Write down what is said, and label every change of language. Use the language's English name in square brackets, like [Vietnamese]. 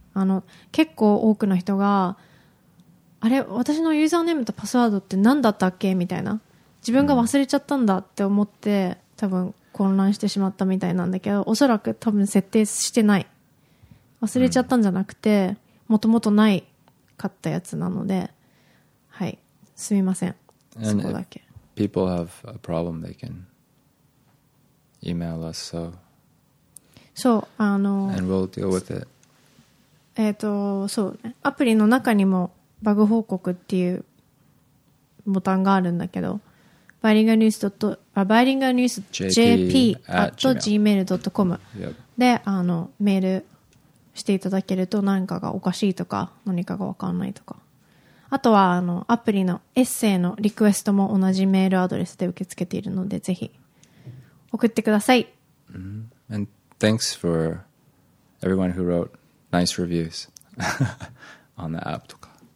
[Japanese] あの結構多くの人が、あれ、私のユーザーネームとパスワードって何だったっけみたいな、自分が忘れちゃったんだって思って多分混乱してしまったみたいなんだけど、おそらく多分設定してない、忘れちゃったんじゃなくて、元々ない買ったやつなので、はい、すみません、 [English] and、 [Japanese] そこだけ。 [English] People have a problem, they can email us, so [Japanese] そう、あの [English] and we'll deal with it. [Japanese] そうね、アプリの中にもバグ報告っていうボタンがあるんだけど、バイリンガルニュース [English] jp@gmail.com [Japanese] で、あのメールしていただけると何かがおかしいとか何かが分かんないとか、あとはあのアプリのエッセイのリクエストも同じメールアドレスで受け付けているので、ぜひ送ってください。 Mm-hmm. [English] And thanks for everyone who wrote nice reviews on the app とか。